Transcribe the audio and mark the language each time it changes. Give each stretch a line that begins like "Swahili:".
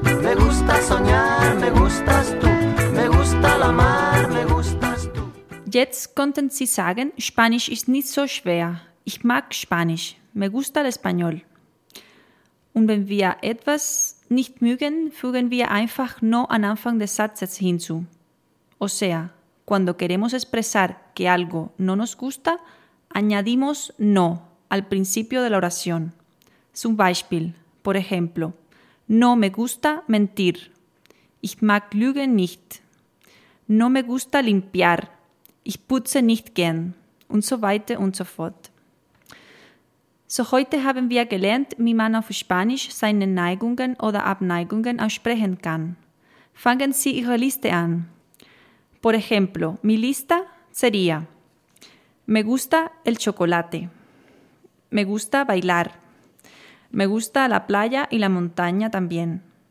Spanish: Me gusta soñar. Me gustas tú. Me gusta la mar. Me gustas tú.
German: Jetzt konnten Sie sagen, Spanisch ist nicht so schwer. Ich mag Spanisch. Me gusta el español. Und wenn wir etwas nicht mögen, fügen wir einfach no an Anfang des Satzes hinzu.
Spanish: O sea, cuando queremos expresar que algo no nos gusta, añadimos no al principio de la oración. Zum Beispiel, por ejemplo, no me gusta mentir.
German: Ich mag lügen nicht. No me gusta limpiar. Ich putze nicht gern. Und so weiter und so fort. So, heute haben wir gelernt, wie man auf Spanisch seine Neigungen oder Abneigungen aussprechen kann. Fangen Sie Ihre Liste an.
Spanish: Por ejemplo, mi lista sería: Me gusta el chocolate. Me gusta bailar. Me gusta la playa y la montaña también.